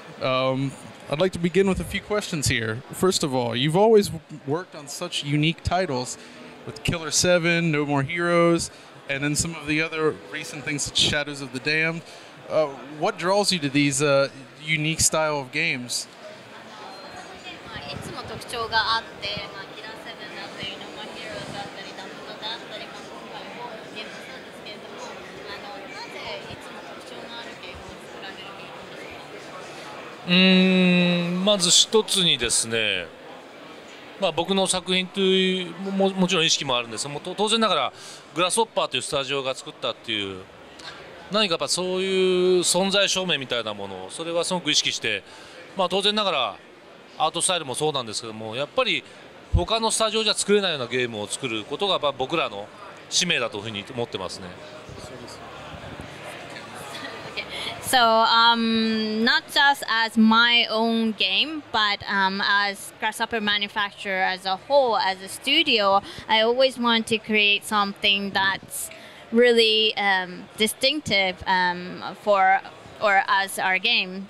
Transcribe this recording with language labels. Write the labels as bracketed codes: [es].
[en] I'd like to begin with a few questions here. First of all, you've always worked on such unique titles with Killer 7, No More Heroes, and then some of the other recent things, such as Shadows of the Damned. What draws you to these unique style of games? [ja] いつも特徴があって、まあ、キラセブンだったりノーマーヒーローだったりダブルだったり、まあ、今回もゲームなんですけれども、あのなぜいつも特徴のあるゲームを作られるゲームですか？まず一つにですね、まあ、僕の作品という もちろん意識もあるんですが、当然ながらグラスホッパーというスタジオが作ったっていう何かやっぱそういう存在証明みたいなものを、それはすごく意識して、まあ、当然ながらアートスタイルもそうなんですけども、やっぱり他のスタジオじゃ作れないようなゲームを作ることが僕らの使命だというふうに思ってますね。 [en] So, not just as my own game, but as Grasshopper Manufacturer as a whole, as a studio, I always wanted to create something that's really distinctive for as our game.